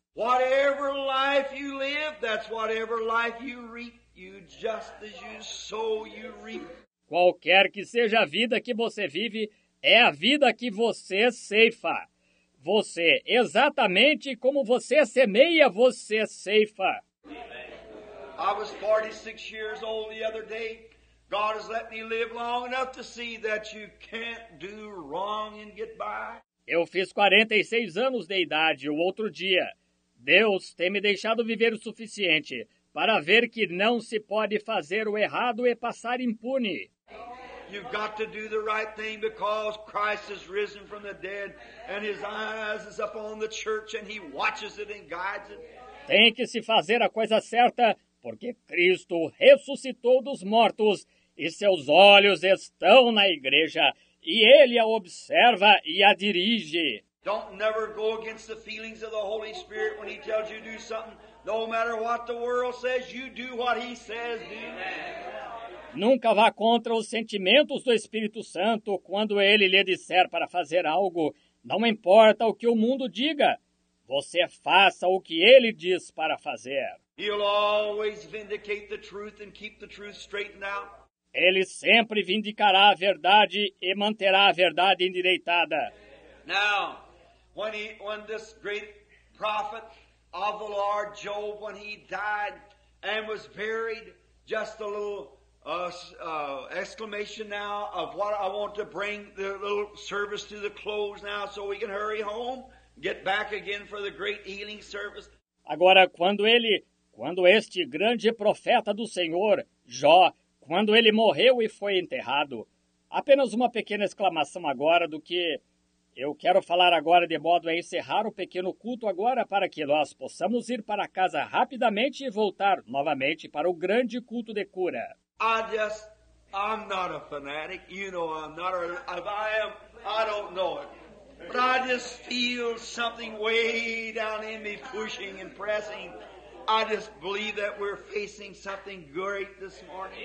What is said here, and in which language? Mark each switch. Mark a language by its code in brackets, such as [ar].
[en] Whatever life you live, that's whatever life you reap. You just as you sow, you reap. [pt] Qualquer que seja a vida que você vive, é a vida que você ceifa. Você, exatamente como você semeia, você ceifa. [en] I was 46 years old the other day. God has let me live long enough to see that you can't do wrong and get by. [pt] Eu fiz 46 anos de idade o outro dia. Deus tem me deixado viver o suficiente para ver que não se pode fazer o errado e passar impune. [en] You've got to do the right thing because Christ has risen from the dead and his eyes is upon the church and he watches it and guides it. [pt] Tem que se fazer a coisa certa porque Cristo ressuscitou dos mortos e seus olhos estão na igreja e ele a observa e a dirige. [en] Don't never go against the feelings of the Holy Spirit when he tells you to do something. No matter what the world says, you do what he says. Amen. [pt] Nunca vá contra os sentimentos do Espírito Santo quando ele lhe disser para fazer algo. Não importa o que o mundo diga, você faça o que ele diz para fazer. [en] He'll always vindicate the truth and keep the truth straightened out. [pt] Ele sempre vindicará a verdade e manterá a verdade endireitada. [en] Now, when this great prophet of the Lord Job, when he died and was buried, just a little exclamation now of what I want to bring the little service to the close now so we can hurry home, get back again for the great healing service. [pt] Agora, quando este grande profeta do Senhor, Jó, quando ele morreu e foi enterrado, apenas uma pequena exclamação agora do que eu quero falar agora de modo a encerrar o pequeno culto agora para que nós possamos ir para casa rapidamente e voltar novamente para o grande culto de cura. [en] I'm not a fanatic, you know I'm not, I don't know it, but I just feel something way down in me pushing and pressing. I just believe that we're facing something great this morning.